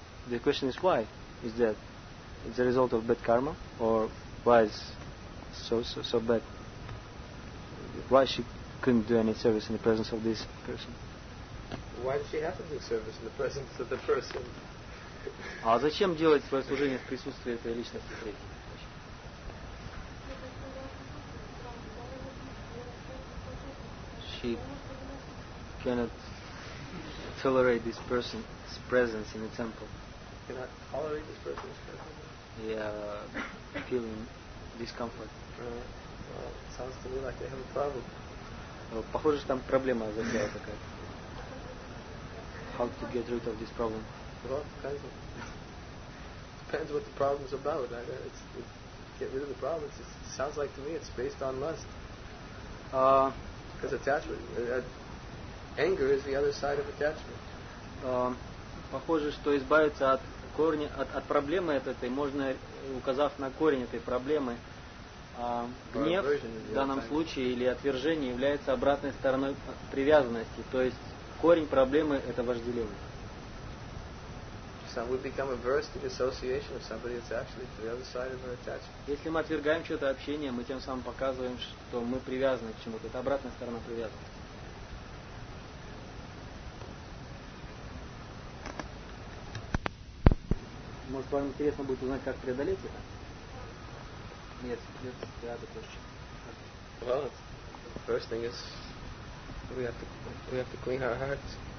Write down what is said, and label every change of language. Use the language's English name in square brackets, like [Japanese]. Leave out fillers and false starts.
[English] The question is, why is that? Is the result of bad karma, or why is so bad? Why she couldn't do any service in the presence of this person? Why does she have to do service in the presence of the person? [Russian] А зачем делать свое служение в присутствии этой личности третьей? [English] She cannot tolerate this person's presence in the temple. Cannot tolerate this person's presence? Yeah, feeling discomfort. Sounds to me like they have a problem. [Russian] Похоже, что там проблема заглядывает какая-то. [English] How to get rid of this problem? Well, depends what the problem is about. Get rid of the problem. It sounds like to me it's based on lust. Because attachment, anger is the other side of attachment. [Russian] Похоже, что избавиться от корня, от проблемы этой можно, указав на корень этой проблемы. Гнев в данном случае или отвержение является обратной стороной привязанности, то есть корень проблемы – это вожделение. [English] So we become averse to the association of somebody that's actually to the other side of our attachment. [Russian] Если мы отвергаем что-то общение, мы тем самым показываем, что мы привязаны к чему-то. Это обратная сторона привязанности. Может, вам интересно будет узнать, как преодолеть это? [English] Yes, the other question. Well, the first thing is we have to clean our hearts.